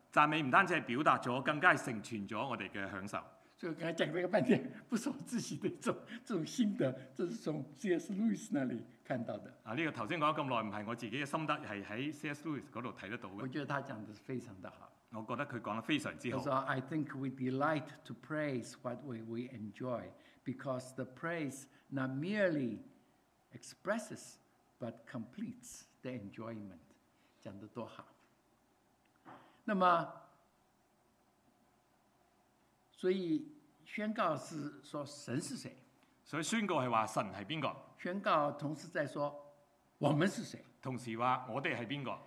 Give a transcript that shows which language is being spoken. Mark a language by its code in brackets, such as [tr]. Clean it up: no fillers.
[zh] 赞美不单是表达了，更加是成全了我们的享受。所以刚才讲了一个半天，不是我自己的这种心得，这是从 C.S. Lewis 那里看到的。啊，这个刚才讲了这么久，不是我自己的心得，是在 C.S. Lewis 那里看得到的。我觉得他讲的是非常的好。我觉得他讲得非常之好。他说 [en] ：“I think we delight to praise what we enjoy, because the praise not merely expresses but completes the enjoyment.” [zh] 讲得多好。那么，所以宣告是说神是谁？所以宣告是说神是谁？宣告同时在说我们是谁？同时说我们是谁？